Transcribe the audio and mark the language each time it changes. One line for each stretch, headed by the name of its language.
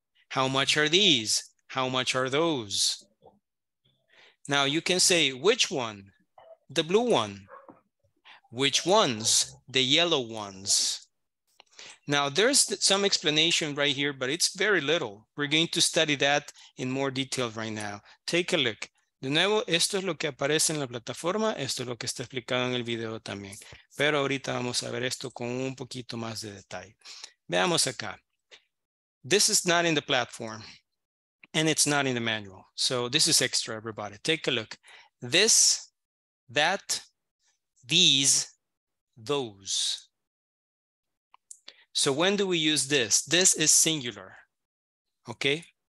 English: How much are these? How much are those? Now you can say, which one? The blue one. Which ones? The yellow ones. Now, there's some explanation right here, but it's very little. We're going to study that in more detail right now. Take a look.
Spanish: De nuevo, esto es lo que aparece en la plataforma. Esto es lo que está explicado en el video también. Pero ahorita vamos a ver esto con un poquito más de detalle. Veamos acá.
English: This is not in the platform, and it's not in the manual. So this is extra, everybody. Take a look. This, that, these, those. So when do we use this? This is singular, okay?